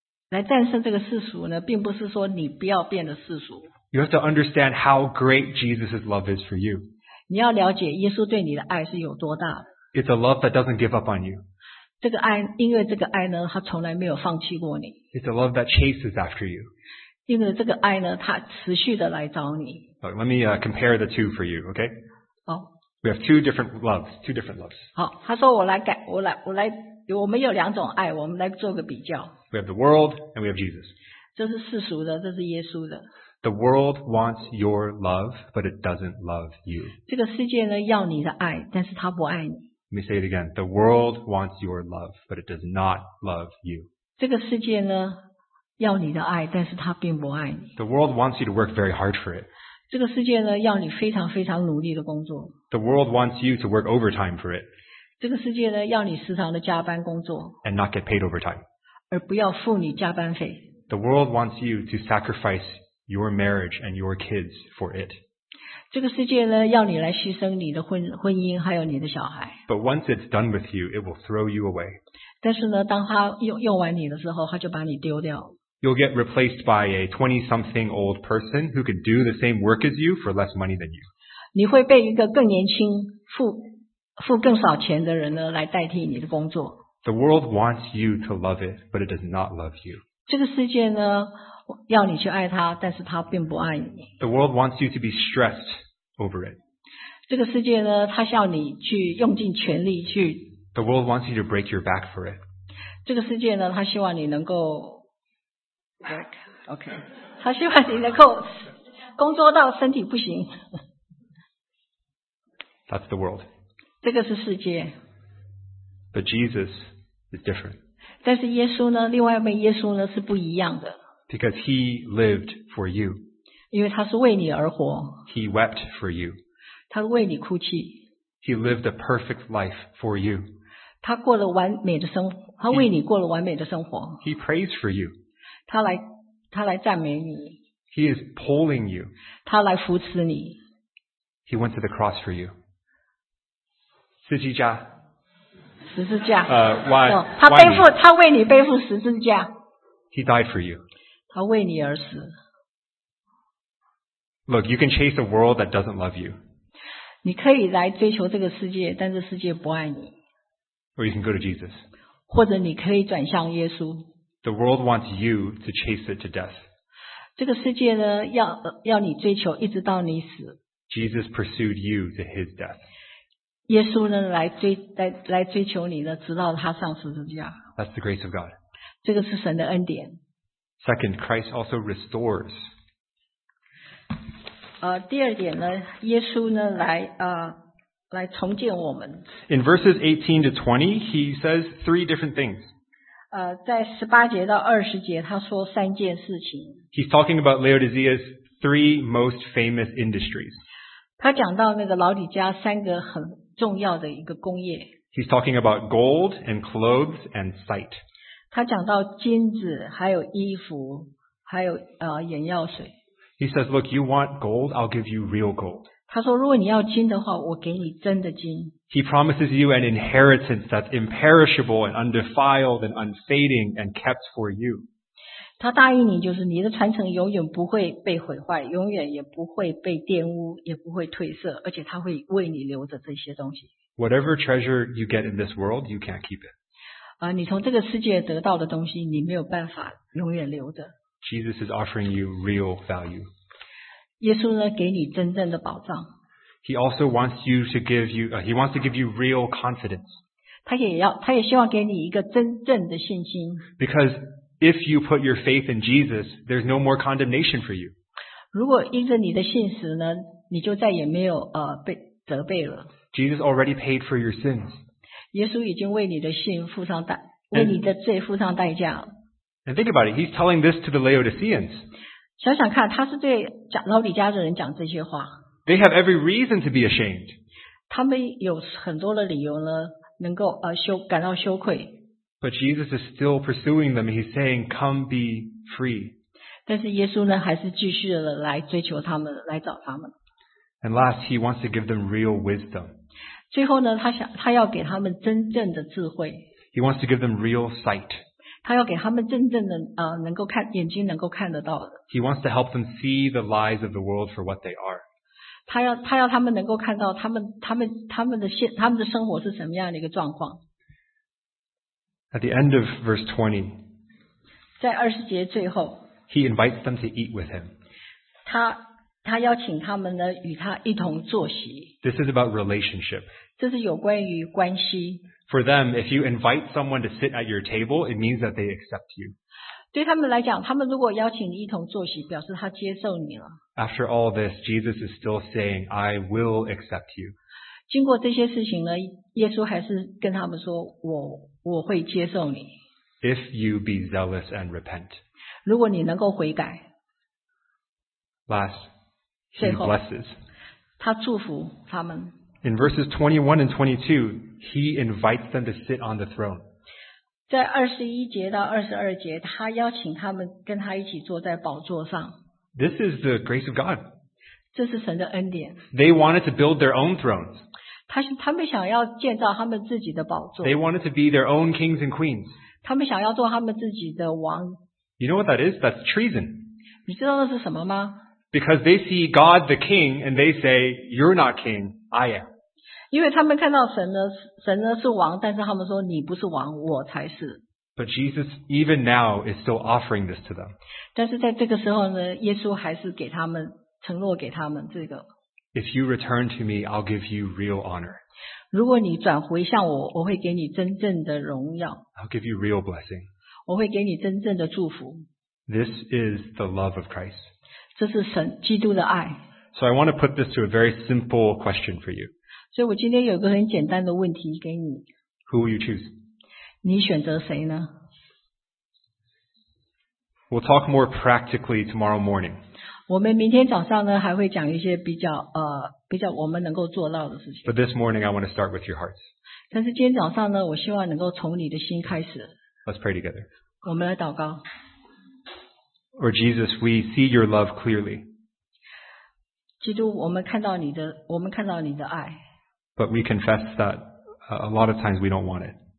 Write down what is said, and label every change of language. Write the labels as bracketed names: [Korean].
[Chinese] 来战胜这个世俗呢，并不是说你不要变得世俗。 [English] You have to understand how great Jesus' love is for you. [Chinese] 你要了解耶稣对你的爱是有多大。 [English] It's a love that doesn't give up on you. [Chinese] 这个爱，因为这个爱呢，他从来没有放弃过你。 [English] It's a love that chases after you. [Chinese] 因为这个爱呢，他持续的来找你。 [English] Okay, let me compare the two for you, okay? [Chinese] 好。 [English] We have two different loves, two different loves. [Chinese] 好，他说我来，我们有两种爱，我们来做个比较。 [English] We have the world and we have Jesus. [Chinese] 这是世俗的，这是耶稣的。 [English] The world wants your love, but it doesn't love you. [Chinese] 这个世界呢，要你的爱，但是他不爱你。 [English] Let me say it again. The world wants your love, but it does not love you. [Chinese] 这个世界呢，要你的爱，但是它并不爱你。 [English] The world wants you to work very hard for it. [Chinese] 这个世界呢，要你非常非常努力的工作。 [English] The world wants you to work overtime for it. [Chinese] 这个世界呢，要你时常的加班工作。 [English] And not get paid overtime. [Chinese] 而不要付你加班费。 [English] The world wants you to sacrifice your marriage and your kids for it. [Chinese] 这个世界呢，要你来牺牲你的婚姻，还有你的小孩。 [English] But once it's done with you, it will throw you away. [Chinese] 但是呢，当他用完你的时候，他就把你丢掉。 [English] You'll get replaced by a 20-something old person who can do the same work as you for less money than you. [Chinese] 你会被一个更年轻、付更少钱的人呢来代替你的工作。 [English] The world wants you to love it, but it does not love you. [Chinese] 这个世界呢？要你去爱他，但是他并不爱你。 [English] The world wants you to be stressed over it. [Chinese] 这个世界呢，他要你去用尽全力去。 [English] The world wants you to break your back for it. [Chinese] 这个世界呢，他希望你能够 break. [English] Okay. [Chinese] 他希望你能够工作到身体不行。 [English] That's the world. [Chinese] 这个是世界。 [English] But Jesus is different. [Chinese] 但是耶稣呢，另外一位耶稣呢是不一样的。 [English] Because he lived for you. [Chinese] 因为他是为你而活。 [English] He wept for you. [Chinese] 他为你哭泣。 [English] He lived a perfect life for you. [Chinese] 他过了完美的生活，他为你过了完美的生活。 [English] He prays for you. [Chinese] 他来赞美你。 [English] He is pulling you. [Chinese] 他来扶持你。 [English] He went to the cross for you. [Chinese] 十字架。十字架。 [English] Why? [Chinese] 他为你背负十字架。 [English] He died for you. [Chinese] 他为你而死。 [English] Look, you can chase a world that doesn't love you. [Chinese] 你可以来追求这个世界，但这世界不爱你。 [English] Or you can go to Jesus. [Chinese] 或者你可以转向耶稣。 [English] The world wants you to chase it to death. [Chinese] 这个世界呢，要你追求一直到你死。 [English] Jesus pursued you to his death. [Chinese] 耶稣呢，来追求你呢，直到他上十字架。 [English] That's the grace of God. [Chinese] 这个是神的恩典。 [English] Second, Christ also restores. [Chinese] 第二点呢，耶稣呢来重建我们。 [English] In verses 18 to 20, he says three different things. [Chinese] 在十八节到二十节，他说三件事情。 [English] He's talking about Laodicea's three most famous industries. [Chinese] 他讲到那个老底家三个很重要的一个工业。 [English] He's talking about gold and clothes and sight. [Chinese] 他讲到金子，还有衣服，还有眼药水。 [English] He says, "Look, you want gold? I'll give you real gold." [Chinese] 他说，如果你要金的话，我给你真的金。 [English] He promises you an inheritance that's imperishable and undefiled and unfading and kept for you. [Chinese] 他答应你，就是你的传承永远不会被毁坏，永远也不会被玷污，也不会褪色，而且他会为你留着这些东西。 [English] Whatever treasure you get in this world, you can't keep it. [Chinese] 你从这个世界得到的东西，你没有办法永远留着。 [English] Jesus is offering you real value. [Chinese] 耶稣呢，给你真正的保障。 [English] He also wants you to give you, he wants to give you real confidence. [Chinese] 他也希望给你一个真正的信心。 [English] Because if you put your faith in Jesus, there's no more condemnation for you. [Chinese] 如果因着你的信实呢，你就再也没有被责备了。 [English] Jesus already paid for your sins. [Chinese] 耶稣已经为你的信付上代，为你的罪付上代价。 [English] And think about it, he's telling this to the Laodiceans. [Chinese] 想想看，他是对老底家的人讲这些话。 [English] They have every reason to be ashamed. [Chinese] 他们有很多的理由呢，能够感到羞愧。 [English] But Jesus is still pursuing them. He's saying, "Come be free." [Chinese] 但是耶稣呢，还是继续的来追求他们，来找他们。 [English] And last, he wants to give them real wisdom. [Chinese] 最后呢，他要给他们真正的智慧。 [English] He wants to give them real sight. [Chinese] 他要给他们真正的能够看眼睛能够看得到的。 [English] He wants to help them see the lies of the world for what they are. [Chinese] 他要他们能够看到他们的生活是什么样的一个状况。 [English] At the end of verse 20, [Chinese] 在二十节最后 [English] ，He invites them to eat with him. [Chinese] 他邀请他们呢与他一同坐席。 [English] This is about relationship. [Chinese] 这是有关于关系。 [English] For them, if you invite someone to sit at your table, it means that they accept you. [Chinese] 对他们来讲，他们如果邀请你一同坐席，表示他接受你了。 [English] After all this, Jesus is still saying, "I will accept you." [Chinese] 经过这些事情呢，耶稣还是跟他们说，我会接受你。 [English] If you be zealous and repent. [Chinese] 如果你能够悔改。 [English] Last, he blesses. [Chinese] 他祝福他们。 [English] In verses 21 and 22, he invites them to sit on the throne. [Chinese] 在21节到22节，他邀请他们跟他一起坐在宝座上。 [English] This is the grace of God. [Chinese] 这是神的恩典。 [English] They wanted to build their own thrones. [Chinese] 他们想要建造他们自己的宝座。 [English] They wanted to be their own kings and queens. [Chinese] 他们想要做他们自己的王。 [English] You know what that is? That's treason. [Chinese] 你知道那是什么吗？ [English] Because they see God the king and they say, you're not king, I am. [Chinese] 因为他们看到神呢是王，但是他们说你不是王，我才是。 [English] But Jesus even now is still offering this to them. [Chinese] 但是在这个时候呢，耶稣还是给他们承诺给他们这个。 [English] If you return to me, I'll give you real honor. [Chinese] 如果你转回向我，我会给你真正的荣耀。 [English] I'll give you real blessing. [Chinese] 我会给你真正的祝福。 [English] This is the love of Christ. [Chinese] 这是神基督的爱。 [English] So I want to put this to a very simple question for you. [Chinese] 所以我今天有个很简单的问题给你。 [English] Who will you choose? [Chinese] 你选择谁呢？ [English] We'll talk more practically tomorrow morning. [Chinese] 我们明天早上呢还会讲一些比较我们能够做到的事情。 [English] But this morning I want to start with your hearts. [Chinese] 但是今天早上呢，我希望能够从你的心开始。 [English] Let's pray together. [Chinese] 我们来祷告。 [English] Or Jesus, we see your love clearly. [Chinese] 基督，我们看到你的爱。 [English] But we confess that a lot of times we don't want it.